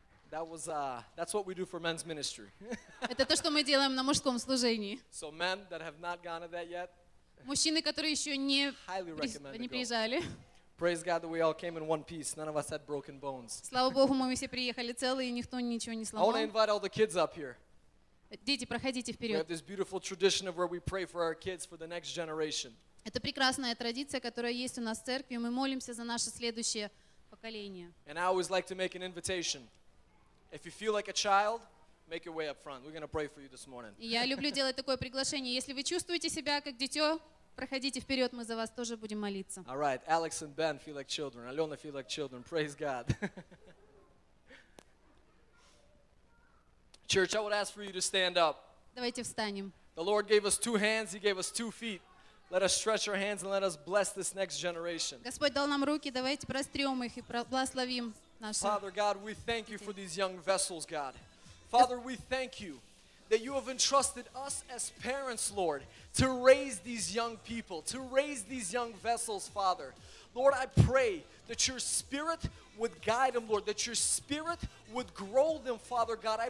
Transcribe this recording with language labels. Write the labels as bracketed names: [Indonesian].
[English] That was that's what we do for men's ministry. [Russian] Это то, что мы делаем на мужском служении. [English] So men that have not gone to that yet. [Russian] Мужчины, которые ещё не приезжали. [English] Praise God that we all came in one piece. None of us had broken bones. [Russian] Слава Богу, мы все приехали целы, и никто ничего не сломал. [English] I want to invite all the kids up here. [Russian] Дети, проходите вперёд. [English] We have this beautiful tradition of where we pray for our kids for the next generation. [Russian] Это прекрасная традиция, которая есть у нас в церкви. Мы молимся за наше следующее поколение. [English] And I always like to make an invitation. If you feel like a child, make your way up front. We're going to pray for you this morning. [Russian] Я люблю делать такое приглашение. Если вы чувствуете себя как дитё, проходите вперёд, мы за вас тоже будем молиться. [English] All right, Alex and Ben feel like children. Alena feel like children. Praise God. Church, I would ask for you to stand up. [Russian] Давайте встанем. [English] The Lord gave us two hands, He gave us two feet. Let us stretch our hands and let us bless this next generation. [Russian] Господь дал нам руки, давайте прострём их и благословим наших. [English] Father God, we thank you for these young vessels, God. Father, we thank you that you have entrusted us as parents, Lord, to raise these young people, to raise these young vessels, Father. Lord, I pray that your spirit would guide them, Lord, that your spirit would grow them, Father God.